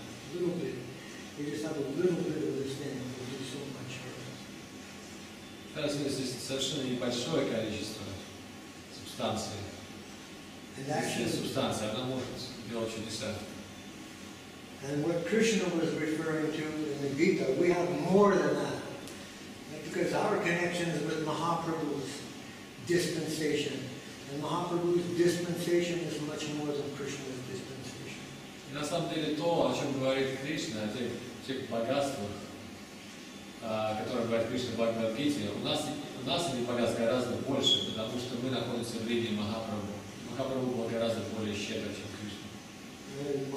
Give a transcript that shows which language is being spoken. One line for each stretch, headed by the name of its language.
English: A little bit. You just have a little bit of this thing that will do so much for us.
Russian: Кажется, здесь совершенно небольшое количество субстанции.
English: And actually,
Russian: субстанция, она может делать чудеса.
English: And what Krishna was referring to in the Gita, we have more than that. Because our connection is with Mahaprabhu's dispensation. And Mahaprabhu's dispensation is much more than Krishna's dispensation.
Russian: И на самом деле то, о чем говорит Кришна, о тех богатствах, которые говорит Кришна в Бхагавад-гите, у нас эти богатства гораздо больше, потому что мы находимся в линии Махапрабху. Махапрабху был гораздо более щедрым, чем Кришна.